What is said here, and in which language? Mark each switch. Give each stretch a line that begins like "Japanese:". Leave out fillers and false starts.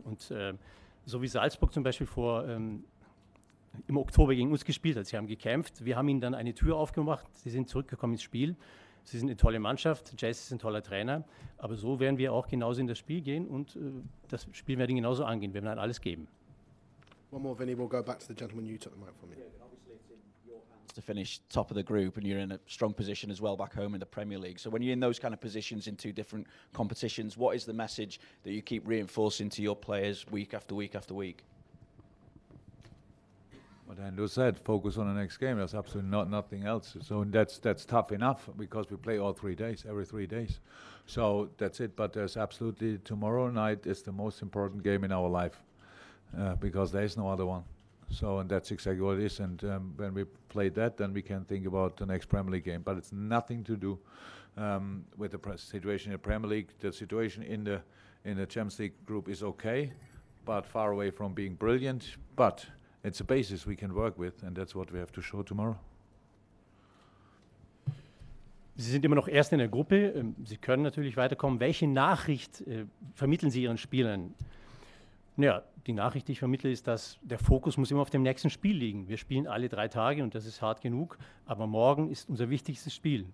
German: Und so wie Salzburg zum Beispiel vor im Oktober gegen uns gespielt hat. Sie haben gekämpft. Wir haben ihnen dann eine Tür aufgemacht. Sie sind zurückgekommen ins Spiel. Sie sind eine tolle Mannschaft. Jace ist ein toller Trainer. Aber so werden wir auch genauso in das Spiel gehen und das Spiel werden wir genauso angehen. Wir werden dann alles geben.
English: One more, Vinny. We'll go back to the gentleman you took the mic from me. To finish top of the group and you're in a strong position as well back home in the Premier League. So when you're in those kind of positions in two different competitions, what is the message that you keep reinforcing to your players week after week after week? What Andrew said, focus on the next game. There's absolutely nothing else. So that's tough enough because we play all 3 days, every 3 days. So that's it. But there's absolutely tomorrow night is the most important game in our life because there is no other one. So and that's exactly what it is. And when we play that, then we can think about the next Premier League game. But it's nothing to do with the situation in the Premier League. The situation in the Champions League group is okay, but far away from being brilliant. But it's a basis we can work with, and that's what we have to show tomorrow.
German: Sie sind immer noch erst in der Gruppe. Sie können natürlich weiterkommen. Welche Nachricht vermitteln Sie Ihren Spielern? Naja, die Nachricht, die ich vermittle, ist, dass der Fokus muss immer auf dem nächsten Spiel liegen. Wir spielen alle 3 Tage und das ist hart genug, aber morgen ist unser wichtigstes Spiel.